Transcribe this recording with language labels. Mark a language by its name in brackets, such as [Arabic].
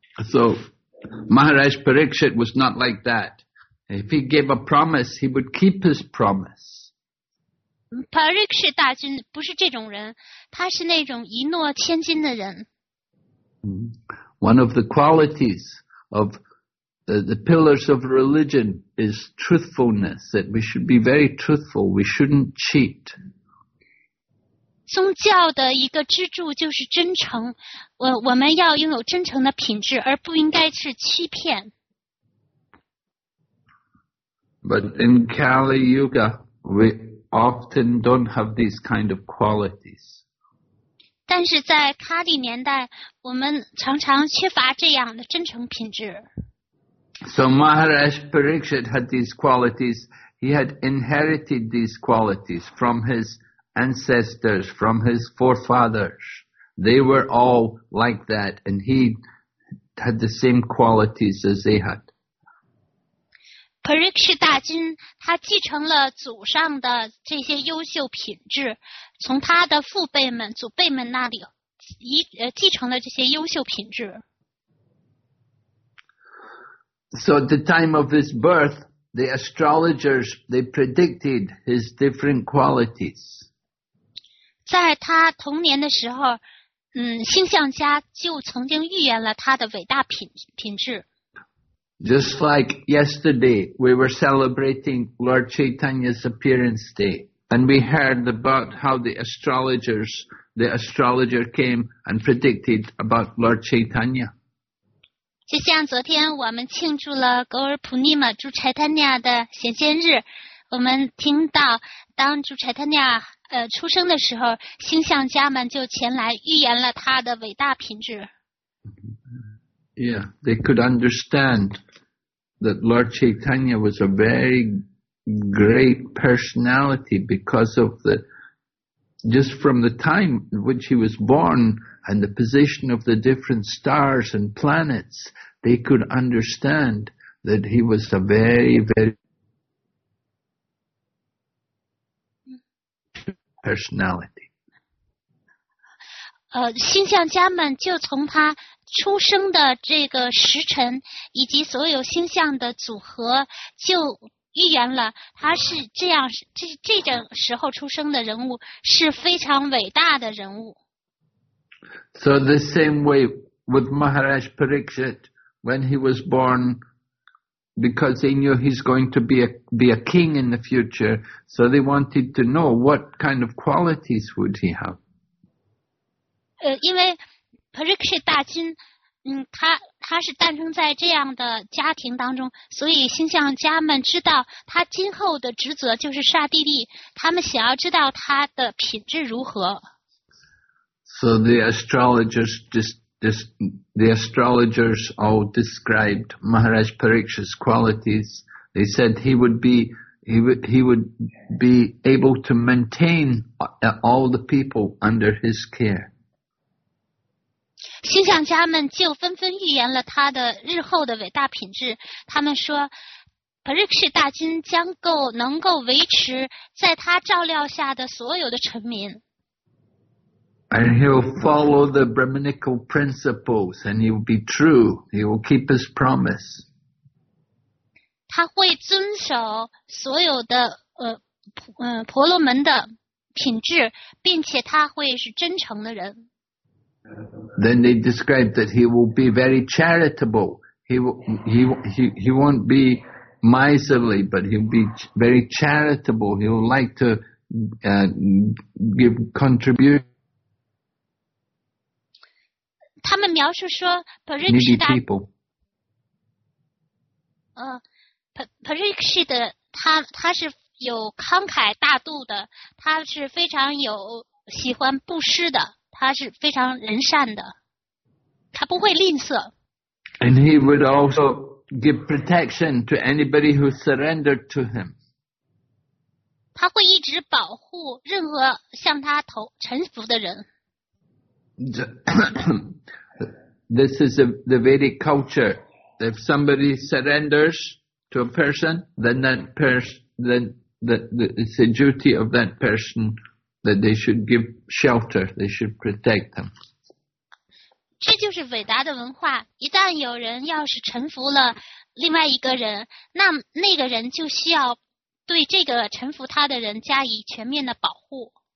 [English] So,Maharaj Parikshit was not like that. If he gave a promise, he would keep his promise. [Chinese] Parikshit 大君不是这种人，他是那种一诺千金的人。 [English] One of the qualities of the pillars of religion is truthfulness, that we should be very truthful, we shouldn't cheat. [Chinese] 宗教的一个支柱就是真诚，我们要拥有真诚的品质，而不应该是欺骗。 [English] But in Kali Yuga, we often don't have these kind of qualities. [Chinese] 但是在卡里年代，我们常常缺乏这样的真诚品质。 [English] So Maharaj Parikshit had these qualities. He had inherited these qualities from his. Ancestors from his forefathers. They were all like that, and he had the same qualities as they had. [Chinese] Parikshit 大君他继承了祖上的这些优秀品质，从他的父辈们、祖辈们那里继承了这些优秀品质。 [English] So at the time of his birth, the astrologers, they predicted his different qualities. [Chinese] 在他童年的时候，星象家就曾经预言了他的伟大品质。 [English] Just like yesterday, we were celebrating Lord Chaitanya's appearance day, and we heard about how the astrologer came and predicted about Lord Chaitanya. [Chinese] 就像昨天我们庆祝了格尔普尼玛朱柴塔尼亚的显现日，我们听到当朱柴塔尼亚。出生的时候，星象家们就前来预言了他的伟大品质。 [English] Yeah, they could understand that Lord Chaitanya was a very great personality because of the, just from the time in which he was born and the position of the different stars and planets, they could understand that he was a very, very,personality. [Chinese] 星象家们就从他出生的这个时辰以及所有星象的组合就预言了他是这样这种时候出生的人物是非常伟大的人物。 [English] So the same way with Maharaj Parikshit, when he was born,Because they knew he's going to be a king in the future, so they wanted to know what kind of qualities would he have. [Chinese] 因为 Parikshit 大君，他是诞生在这样的家庭当中，所以星象家们知道他今后的职责就是刹帝利，他们想要知道他的品质如何。 [English] So the astrologers The astrologers all described Maharaj Parikshit's qualities. They said he would be able to maintain all the people under his care. [Chinese] 星象家们就纷纷预言了他的日后的伟大品质。他们说， Parikshit 大君将够能够维持在他照料下的所有的臣民。 [English] And he'll follow the Brahminical principles, and he will be true. He will keep his promise. [Chinese] 他会遵守所有的婆罗门的品质，并且他会是真诚的人。 [English] Then they describe that he will be very charitable. He won't be miserly, but he'll be very charitable. He will like to give contribution. [Chinese] 他们描述说 ，Parikshit 大。 Parikshit 他是有慷慨大度的，他是非常有喜欢布施的。他是非常仁善的，他不会吝啬。 [English] And he would also give protection to anybody who surrendered to him. [Chinese] 他会一直保护任何向他投臣服的人。 [English] This is the Vedic culture. If somebody surrenders to a person, then that person, then it's the duty of that person. That they should give shelter, they should protect them. [Chinese] 这就是伟大的文化。一旦有人要是臣服了另外一个人，那个人就需要对这个臣服他的人加以全面的保护。